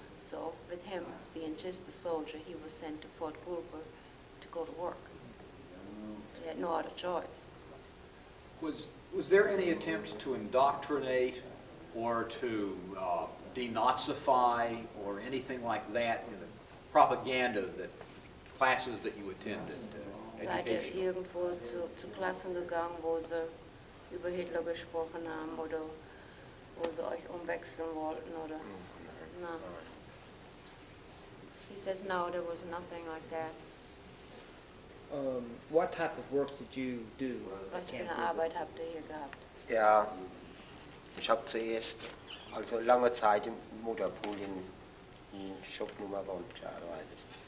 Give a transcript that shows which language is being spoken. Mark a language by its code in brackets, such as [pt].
[en] So, with him being just a soldier, he was sent to Fort Gruber to go to work. He had no other choice. Was there any attempt to indoctrinate or to denazify or anything like that in the propaganda that classes that you attended? [de] Irgendwo zu Klassen gegangen, wo sie über Hitler gesprochen haben oder wo sie euch umwechseln wollten oder no. [en] He says no, there was nothing like that. What type of work did you do? [de] Was für eine Arbeit habt ihr hier gehabt? Ja, ich habe zuerst also lange Zeit im Motorpool in Shop Nummer 1 gearbeitet.